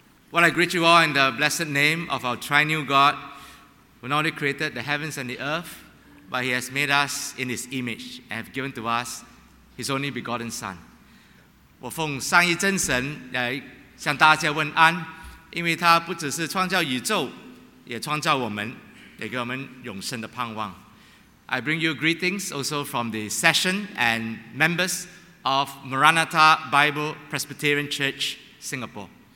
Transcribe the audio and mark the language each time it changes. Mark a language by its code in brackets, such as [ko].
[en] Well, I greet you all in the blessed name of our triune God, who not only created the heavens and the earth, but he has made us in his image and have given to us his only begotten Son. [zh] 我奉三一真神来向大家问安，因为他不只是创造宇宙，也创造我们，也给我们永生的盼望。 [en] I bring you greetings also from the session and members of Maranatha Bible Presbyterian Church, Singapore.